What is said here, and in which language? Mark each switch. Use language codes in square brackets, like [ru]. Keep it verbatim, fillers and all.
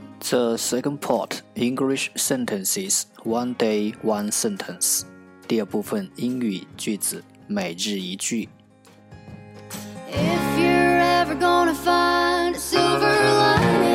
[en] The second part, English sentences, one day, one sentence. [zh] 第二部分，英语句子，每日一句。 [en] If you're ever gonna find a silver lining.